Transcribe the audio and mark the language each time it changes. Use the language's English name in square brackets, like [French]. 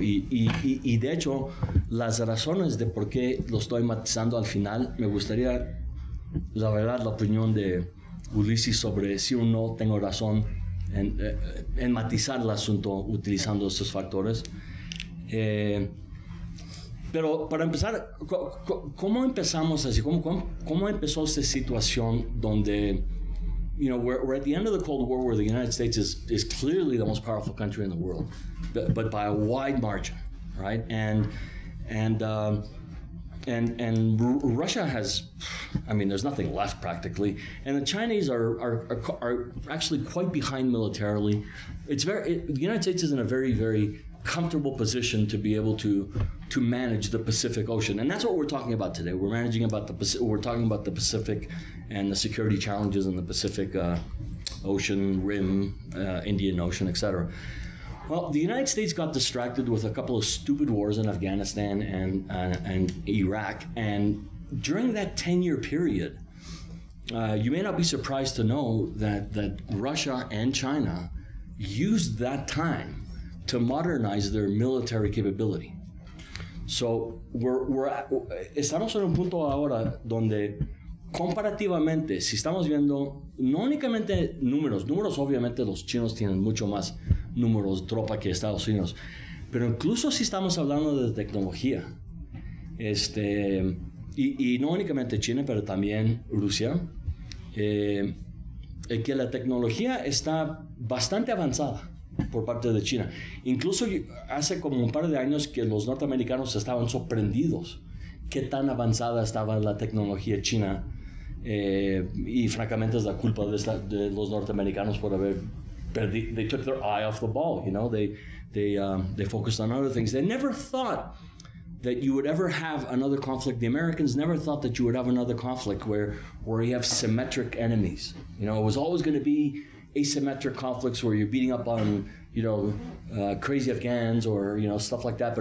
[Spanish] Y de hecho, las razones de por qué lo estoy matizando al final, me gustaría, la verdad, la opinión de Ulysses sobre si o no tengo razón en matizar el asunto utilizando esos factores. Pero para empezar, ¿cómo empezó esta situación donde... [English] You know, we're at the end of the Cold War, where the United States is clearly the most powerful country in the world, but by a wide margin, right? And Russia has, I mean, there's nothing left practically, and the Chinese are actually quite behind militarily. The United States is in a very, very comfortable position to be able to manage the Pacific Ocean, and that's what we're talking about today. We're talking about the Pacific and the security challenges in the Pacific Ocean Rim, Indian Ocean, etc. Well, the United States got distracted with a couple of stupid wars in Afghanistan and Iraq, and during that 10-year period, you may not be surprised to know that Russia and China used that time to modernize their military capability. So we're [Spanish] estamos en un punto ahora donde comparativamente, si estamos viendo no únicamente números, obviamente los chinos tienen mucho más números, tropa que Estados Unidos, pero incluso si estamos hablando de tecnología, y no únicamente China, pero también Rusia, que la tecnología está bastante avanzada por parte de China. Incluso hace como un par de años que los norteamericanos estaban sorprendidos qué tan avanzada estaba la tecnología china, y francamente es la culpa de los norteamericanos por haber perdido. [English] They took their eye off the ball, you know. They focused on other things. They never thought that you would ever have another conflict. The Americans never thought that you would have another conflict where you have symmetric enemies. You know, it was always going to be asymmetric conflicts where you're beating up on, you know, crazy Afghans or, you know, stuff like that.